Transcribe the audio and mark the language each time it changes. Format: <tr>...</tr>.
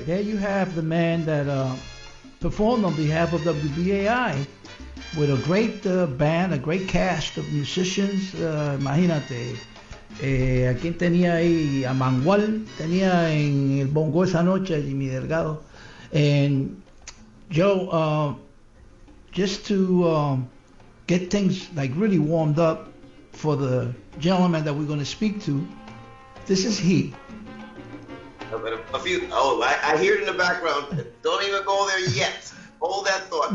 <en>There you have the man that performed on behalf of WBAI with a great band, a great cast of musicians.</en> <es>Imagínate. ¿Quién tenía ahí? A Mangual tenía en el bongo esa noche, Jimmy Delgado.</es> <en>And Joe, just to get things like really warmed up for the gentleman that we're going to speak to, this is he. I hear it in the background. Don't even go there yet. Hold that thought.</en>